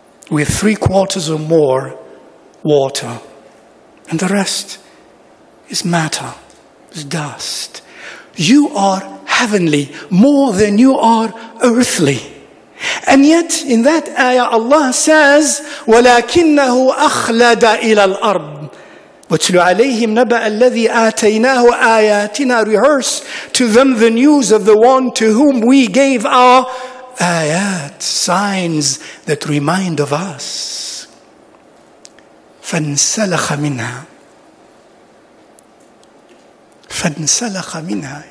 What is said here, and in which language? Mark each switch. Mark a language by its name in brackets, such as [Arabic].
[English] We're 3/4 or more water, and the rest is matter, is dust. You are heavenly more than you are earthly. And yet, in that ayah, Allah says, [Arabic] وَلَكِنَّهُ أَخْلَدَ إِلَى الْأَرْضِ وَتْلُ عَلَيْهِمْ نَبَأَ الَّذِي آتَيْنَاهُ آيَاتِنَا. [English] Rehearse to them the news of the one to whom we gave our ayat, signs that remind of us. [Arabic] فَانْسَلَخَ مِنْهَا. فَانْسَلَخَ مِنْهَا.